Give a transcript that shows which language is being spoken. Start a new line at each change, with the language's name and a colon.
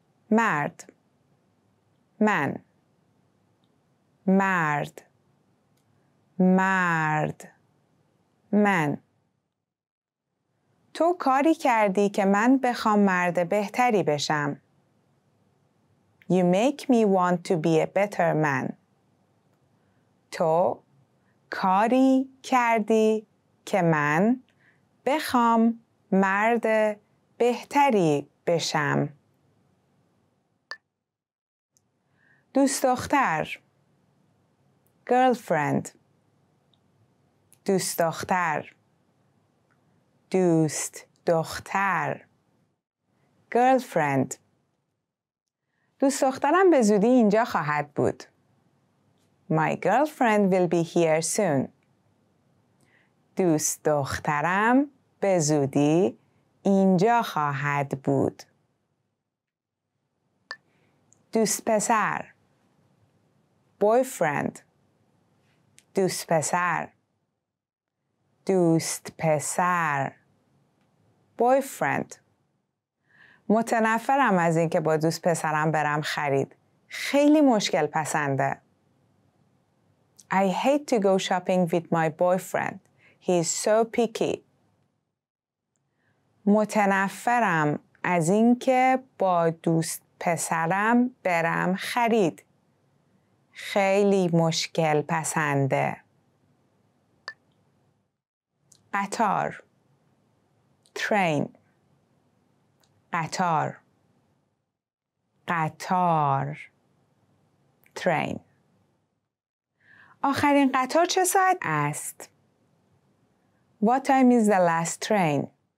Persian: مرد, من. مرد, مرد من تو کاری کردی که من بخوام مرد بهتری بشم.
English: You make me want to be a better man.
Persian: تو کاری کردی که من بخوام مرد بهتری بشم. دوست دختر
English: girlfriend
Persian: دوست دختر دوست دختر girlfriend دوست دخترم به زودی اینجا خواهد بود.
English: My girlfriend will be here soon.
Persian: دوست دخترم به زودی اینجا خواهد بود. دوست پسر
English: boyfriend
Persian: دوست پسر دوست پسر boyfriend متنفرم از این که با دوست پسرم برم خرید. خیلی مشکل پسنده.
English: I hate to go shopping with my boyfriend. He is so picky.
Persian: متنفرم از این که با دوست پسرم برم خرید. خیلی مشکل پسنده. قطار
English: train
Persian: قطار قطار train آخرین قطار چه ساعت است؟
English: What time is the last train?